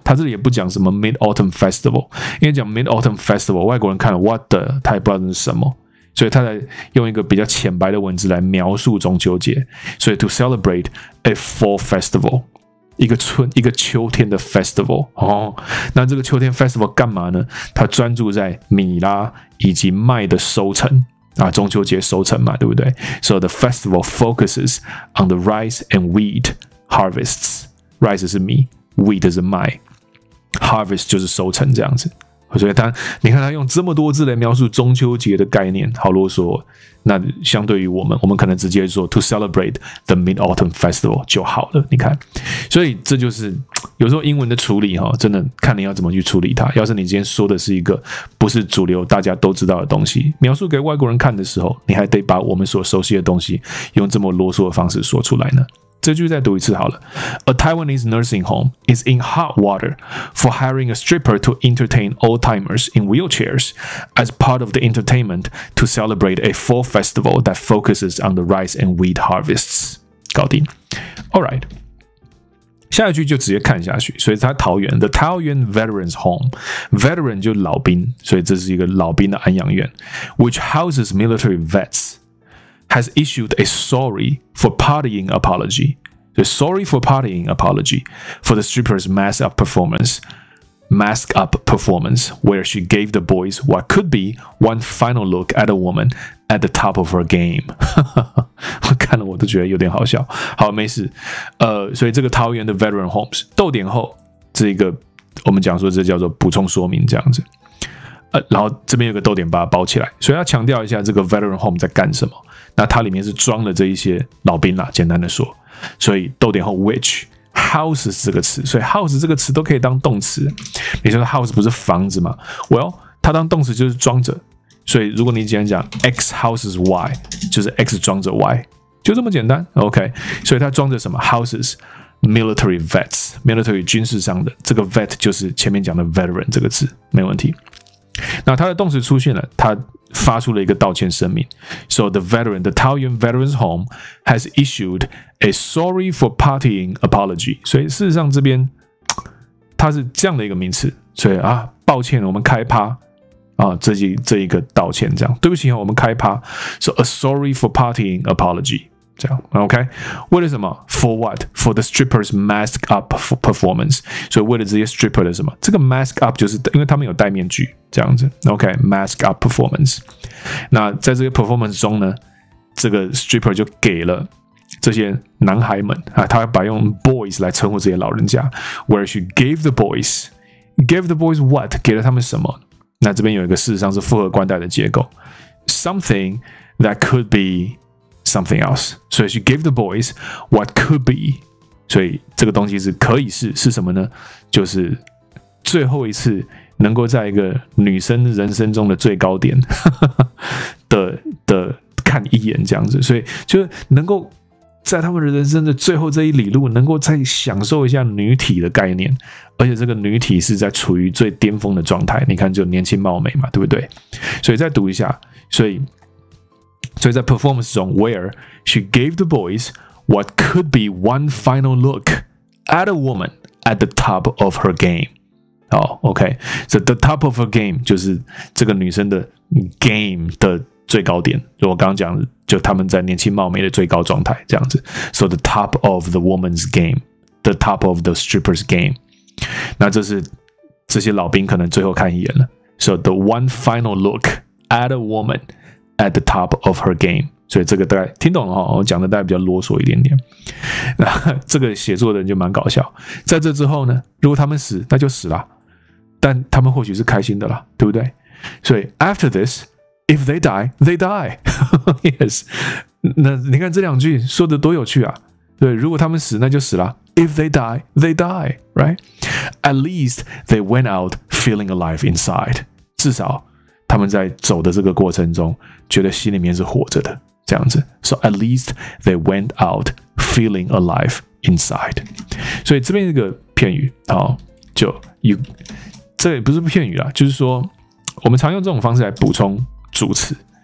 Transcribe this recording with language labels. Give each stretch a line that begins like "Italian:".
Chinese: 他这里也不讲什么 Mid-Autumn Festival， 因为讲 Mid-Autumn Festival， 外国人看了
English: what the，
Chinese: 他也不知道那是什么，所以他才用一个比较浅白的文字来描述中秋节。所以
English: to celebrate a fall festival，
Chinese: 一个秋天的 festival、哦、那这个秋天 festival 干嘛呢？他专注在米拉以及麦的收成啊，中秋节收成嘛，对不对？
English: So the festival focuses on the rice and wheat harvests.
Chinese: Rice 是米， wheat 是麦， harvest 就是收成这样子。所以他，你看他用这么多字来描述中秋节的概念，好啰嗦、哦。那相对于我们可能直接说
English: to celebrate the Mid-Autumn Festival
Chinese: 就好了。你看，所以这就是有时候英文的处理、哦、真的看你要怎么去处理它。要是你今天说的是一个不是主流大家都知道的东西，描述给外国人看的时候，你还得把我们所熟悉的东西用这么啰嗦的方式说出来呢？这句再读一次好了。
English: A Taiwanese nursing home is in hot water for hiring a stripper to entertain old-timers in wheelchairs as part of the entertainment to celebrate a fall festival that focuses on the rice and wheat harvests.
Chinese: 搞定。Alright. 下一句就直接看下去。所以他桃园 The Taoyuan Veterans Home. Veteran 就老兵，所以这是一个老兵的安养院
English: which houses military vets. Has issued a sorry for partying apology. The sorry for partying apology for the stripper's mask up performance, where she gave the boys what could be one final look at a woman at the top of her game.
Chinese: 我看了我都觉得有点好笑。好，没事。所以这个桃园的 Veteran Homes 逗点后，这个我们讲说这叫做补充说明这样子。然后这边有个逗点把它包起来，所以要强调一下这个 Veteran Home 在干什么。那它里面是装了这一些老兵啦，简单的说，所以逗点后
English: which house
Chinese: 这个词，所以 house 这个词都可以当动词。你说 house 不是房子吗？Well， 它当动词就是装着，所以如果你今天讲
English: X houses Y，
Chinese: 就是 X 装着 Y， 就这么简单。 OK， 所以它装着什么
English: houses military vets，
Chinese: military 军事上的这个 vet 就是前面讲的 veteran 这个词，没问题。那他的动词出现了，他发出了一个道歉声明。
English: So the veteran, the Taoyuan Veterans Home has issued a sorry for partying apology.
Chinese: 所以事实上这边他是这样的一个名词，所以啊，抱歉，我们开趴啊，这一个道歉，这样对不起，我们开趴。
English: So a sorry for partying apology. 这样 OK，
Chinese: 为了什么
English: ？For what? For the stripper's mask up performance.
Chinese: 所以为了这些 stripper 的什么？这个 mask up 就是因为他们有戴面具。这样子 ，OK，
English: mask up performance。
Chinese: 那在这个 performance 中呢，这个 stripper 就给了这些男孩们啊，他把用 boys 来称呼这些老人家 ，
English: where she gave the boys what？
Chinese: 给了他们什么？那这边有一个事实上是复合冠带的结构 ，
English: something that could be something else。所以 she gave the boys what could be。
Chinese: 所以这个东西是可以是什么呢？就是最后一次。能够在一个女生人生中的最高点的看一眼这样子，所以就是能够在他们人生的最后这一里路，能够再享受一下女体的概念，而且这个女体是在处于最巅峰的状态。你看，就年轻貌美嘛，对不对？所以再读一下，所以在 performance 中
English: ，where she gave the boys what could be one final look at a woman at the top of her game。
Chinese: 好、oh, ，OK，
English: so the top of a game
Chinese: 就是这个女生的 game 的最高点。就我刚刚讲，就他们在年轻貌美的最高状态这样子。
English: So the top of the woman's game， the top of the stripper's game。
Chinese: 那这是这些老兵可能最后看一眼了。
English: So the one final look at a woman at the top of her game。
Chinese: 所以这个大概听懂了、哦、我讲的大概比较啰嗦一点点。那这个写作的人就蛮搞笑。在这之后呢，如果他们死，那就死了。但他们或许是开心的啦，对不对？
English: 所以 after this, if they die, they die. yes.
Chinese: 那你看这两句说的多有趣啊。对，如果他们死，那就死了。
English: If they die, they die, right? At least they went out feeling alive inside.
Chinese: 至少他们在走的这个过程中觉得心里面是活着的。这样子
English: ，so at least they went out feeling alive inside。
Chinese: 所以这边一个片语，好，就 you， 这也不是片语啦，就是说我们常用这种方式来补充主词。